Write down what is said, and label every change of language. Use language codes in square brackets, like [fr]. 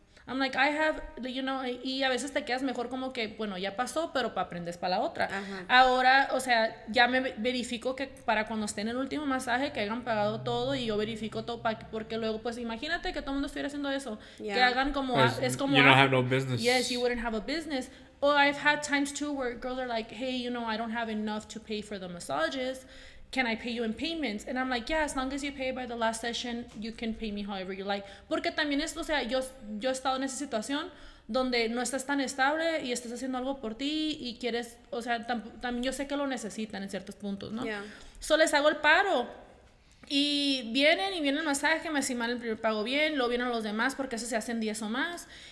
[en] I'm like, I have, you know, [es] y a veces te quedas mejor como que, bueno, ya pasó, pero aprendes para la otra. Uh-huh. Ahora, o sea, ya me verifico que para cuando estén en el último masaje, que hayan pagado todo y yo verifico todo, para, porque luego, pues imagínate que todo el mundo estuviera haciendo eso. Yeah. Que hagan como, es como, [en] you don't have no business. Yes, you wouldn't have a business. Or I've had times too where girls are like, hey, you know, I don't have enough to pay for the massages. Can I pay you in payments? And I'm like, yeah, as long as you pay by the last session, you can pay me however you like. [es] Porque también es, o sea, yo he estado en esa situación donde no estás tan estable y estás haciendo algo por ti y quieres, o sea, también yo sé que lo necesitan en ciertos puntos, ¿no? [en] Yeah. [es] So les hago el paro. Y vienen y viene el masaje, me asignan el primer pago bien, luego vienen los demás porque eso se hacen 10 o más.